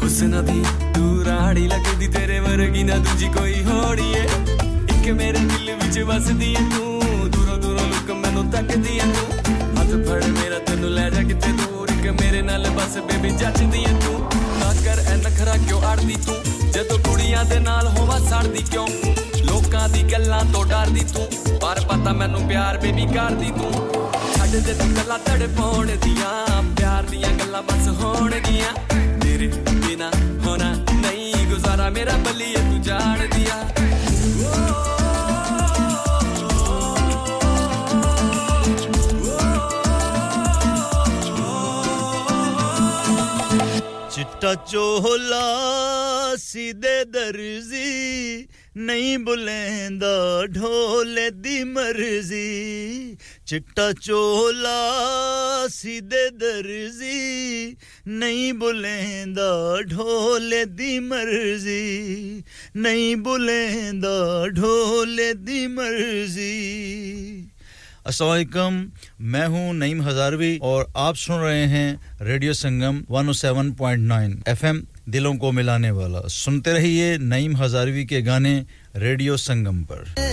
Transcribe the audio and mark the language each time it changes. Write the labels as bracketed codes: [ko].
[pa] ਨਦੀ ਤੂੰ ਰਾੜੀ ਲੱਗਦੀ ਤੇਰੇ ਵਰਗੀ ਨਾ ਦੂਜੀ ਕੋਈ ਹੋੜੀ ਏ ਇੱਕ ਮੇਰੇ ਦਿਲ ਵਿੱਚ ਵਸਦੀ ਏ ਤੂੰ ਦੂਰੋਂ ਦੂਰੋਂ ਲੁੱਕ ਮੈਨੂੰ ਤੱਕਦੀ ਏ ਤੂੰ ਹੱਥ ਫੜ ਮੇਰਾ ਤੈਨੂੰ ਲੈ ਜਾ ਕਿਤੇ ਦੂਰ ਇੱਕ ਮੇਰੇ ਨਾਲ ਬਸ ਬੇਬੀ ਜੱਚਦੀ ਏ ਤੂੰ ਨਾ ਕਰ ਐ ਨਖਰਾ ਕਿਉਂ ਅੜਦੀ ਤੂੰ ਜਦੋਂ ਕੁੜੀਆਂ ਦੇ ਨਾਲ ਹੋਵਾਂ ਸੜਦੀ ਕਿਉਂ ਲੋਕਾਂ ਦੀ ਗੱਲਾਂ ਤੋਂ ਡਰਦੀ ਤੂੰ ਪਰ ਪਤਾ ਮੈਨੂੰ ਪਿਆਰ ਬੇਬੀ ਕਰਦੀ ਤੂੰ ਛੱਡ ਦੇ ਤੂੰ ਗੱਲਾਂ ਤੜਪਾਉਣ ਦੀਆਂ ਪਿਆਰ ਦੀਆਂ ਗੱਲਾਂ ਬਸ ਹੋਣਗੀਆਂ ਤੇਰੇ ਬਿਨਾਂ ਹੋਣਾ ਨਹੀਂ ਗੁਜ਼ਾਰਾ ਮੇਰਾ ਬੱਲੀਏ ਤੂੰ ਜਾਣ ਦੀਆਂ ਚਿੱਟਾ ਚੋਲਾ ਸਿੱਧੇ ਦਰਜ਼ੀ ਨਹੀਂ ਬੁਲੈਂਦਾ ਢੋਲੇ ਦੀ ਮਰਜ਼ੀ ਚਿੱਟਾ ਚੋਲਾ ਸਿੱਧੇ ਦਰਜ਼ੀ ਨਹੀਂ ਬੁਲੈਂਦਾ ਢੋਲੇ ਦੀ ਮਰਜ਼ੀ ਨਹੀਂ ਬੁਲੈਂਦਾ ਢੋਲੇ ਦੀ ਮਰਜ਼ੀ [hi] अस्सलाम वालेकुम मैं हूं नईम हजारवी और आप सुन रहे हैं रेडियो संगम 107.9 एफएम दिलों को मिलाने वाला सुनते रहिए नईम हजारवी के गाने रेडियो संगम पर